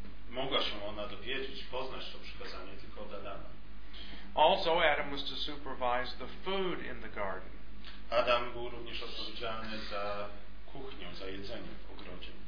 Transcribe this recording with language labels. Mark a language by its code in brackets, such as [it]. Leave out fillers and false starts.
[pl] Mogła się ona dowiedzieć, poznać to przykazanie tylko od Adama. [en] Also, Adam was to supervise the food in the garden. [pl] Adam był również odpowiedzialny za kuchnię, za jedzenie w ogrodzie.